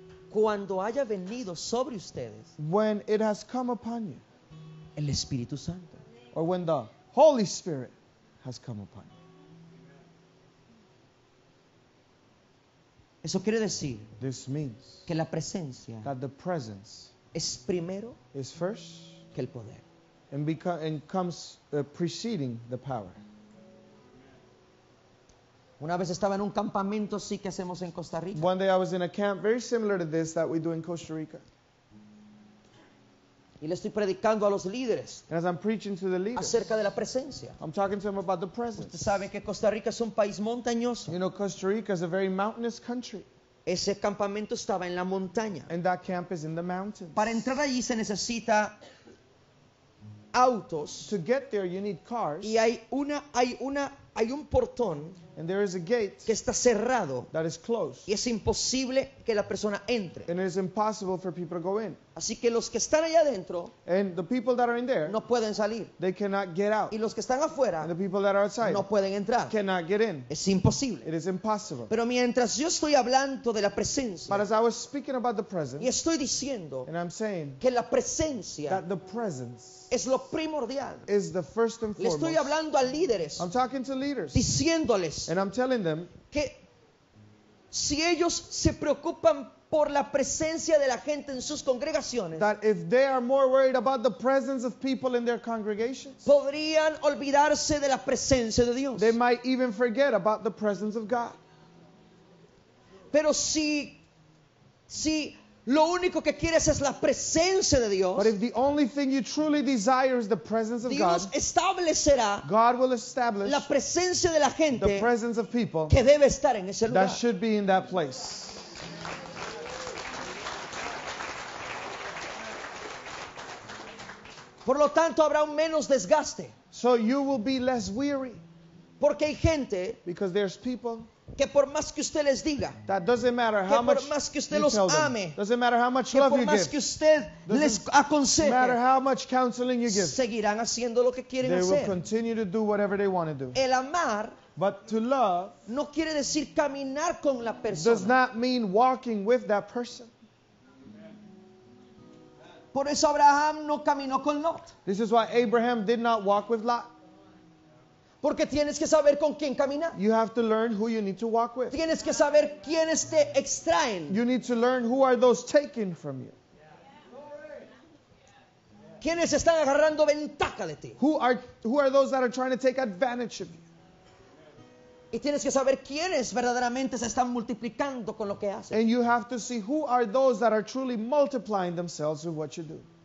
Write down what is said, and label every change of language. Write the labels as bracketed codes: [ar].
[es] Cuando haya venido sobre ustedes. [en] When it has come upon you. [es] El Espíritu Santo. [en] Or when the Holy Spirit has come upon you. [es] Eso quiere decir [en] this means [es] que la presencia [en] that the presence [es] es primero [en] is first [es] que el poder [en] and comes preceding the power. [es] Una vez estaba en un campamento así que hacemos en Costa Rica. [en] One day I was in a camp very similar to this that we do in Costa Rica. [es] Y le estoy predicando a los líderes. [en] And as I'm preaching to the leaders, [es] acerca de la presencia. [en] I'm talking to them about the presence. [es] Ustedes saben que Costa Rica es un país montañoso. [en] You know, Costa Rica is a very mountainous country. [es] Ese campamento estaba en la montaña. [en] And that camp is in the mountains. [es] Para entrar allí se necesita autos. [en] To get there you need cars. [es] Y hay un portón. [en] And there is a gate [es] que está cerrado. [en] That is closed. [es] Y es imposible que la persona entre. [en] And it is impossible for people to go in. [es] Así que los que están allá adentro. [en] And the people that are in there. [es] No pueden salir. [en] They cannot get out. [es] Y los que están afuera. [en] And the people that are outside. [es] No pueden entrar. [en] Cannot get in. [es] Es imposible. [en] It is impossible. [es] Pero mientras yo estoy hablando de la presencia. [en] But as I was speaking about the presence. [es] Y estoy diciendo. [en] And I'm saying. [es] Que la presencia. [en] That the presence. [es] Es lo primordial. [en] Is the first and foremost. [es] Le estoy hablando a líderes. [en] I'm talking to leaders. [es] Diciéndoles. [en] And I'm telling them. [es] Que si ellos se preocupan por la presencia de la gente en sus congregaciones. [en] That if they are more worried about the presence of people in their congregations. [es] Podrían olvidarse de la presencia de Dios. [en] They might even forget about the presence of God. [es] Pero si lo único que quieres es la presencia de Dios. [en] But if the only thing you truly desire is the presence of [es] Dios [en] God. [es] Dios establecerá. [en] God will establish. [es] La presencia de la gente. [en] The presence of people. [es] Que debe estar en ese lugar. [en] That should be in that place. [es] Por lo tanto, habrá un menos desgaste. [en] So you will be less weary. [es] Porque hay gente, [en] because there's people, [es] que por más que usted les diga, [en] that doesn't matter how [es] que [en] much [es] por más que usted los ame, [en] them. Doesn't matter how much love you give. [es] Que por más que usted les aconseje, [en] doesn't matter how much counseling you give. [es] Seguirán haciendo lo que quieren [en] they [es] hacer. [en] They will continue to do whatever they want to do. [es] El amar, [en] but to love, [es] no quiere decir caminar con la persona. [en] Does not mean walking with that person. [es] Por eso Abraham no caminó con Lot. [en] This is why Abraham did not walk with Lot. [es] Porque tienes que saber con quién caminar. [en] You have to learn who you need to walk with. [es] Tienes que saber quiénes te extraen. [en] You need to learn who are those taken from you. [es] ¿Quiénes están agarrando ventaja de ti? [en] Who are those that are trying to take advantage of you? [es] Y tienes que saber quiénes verdaderamente se están multiplicando con lo que hacen. [en] And you have to see who are those that are truly multiplying themselves with what you do.